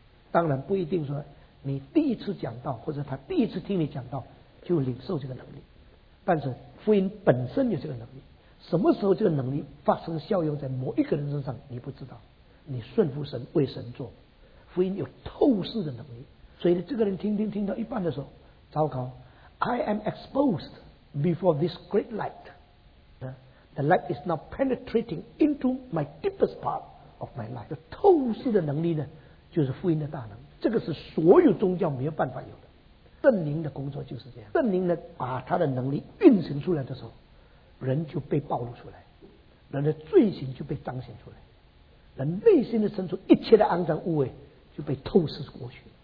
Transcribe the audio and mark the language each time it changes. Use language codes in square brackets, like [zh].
[zh] 当然不一定说你第一次讲到或者他第一次听你讲到就领受这个能力，但是福音本身有这个能力。什么时候这个能力发生效用在某一个人身上你不知道，你顺服神为神做，福音有透视的能力。所以这个人听到一半的时候，糟糕， [en] I am exposed， before this great light. The light is now penetrating into my deepest part of my life. [zh] 透视的能力呢，就是福音的大能。这个是所有宗教没有办法有的。圣灵的工作就是这样。圣灵呢，把他的能力运行出来的时候，人就被暴露出来，人的罪行就被彰显出来，人内心的深处一切的肮脏污秽就被透视过去。